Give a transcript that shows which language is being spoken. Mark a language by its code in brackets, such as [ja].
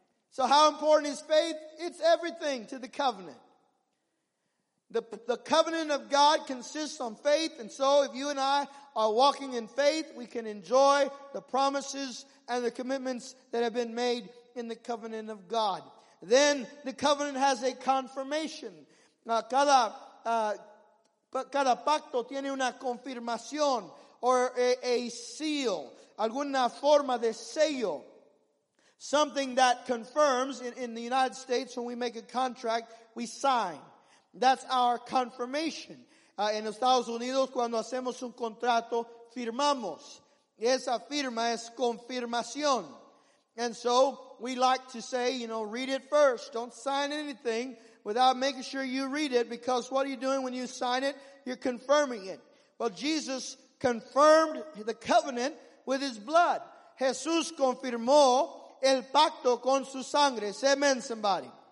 [en] So how important is faith? It's everything to the covenant. The covenant of God consists on faith, and so if you and I are walking in faith, we can enjoy the promises and the commitments that have been made in the covenant of God. Then the covenant has a confirmation. [es] Cada pacto tiene una confirmación [en] or a seal, [es] alguna forma de sello. [en] Something that confirms, in the United States, when we make a contract, we sign. That's our confirmation. [es] En Estados Unidos, cuando hacemos un contrato, firmamos. Esa firma es confirmación. [en] And so, we like to say, you know, read it first. Don't sign anything without making sure you read it, because what are you doing when you sign it? You're confirming it. Well, Jesus confirmed the covenant with his blood. [es] Jesús confirmó el pacto con su sangre. [en] Say amen, somebody.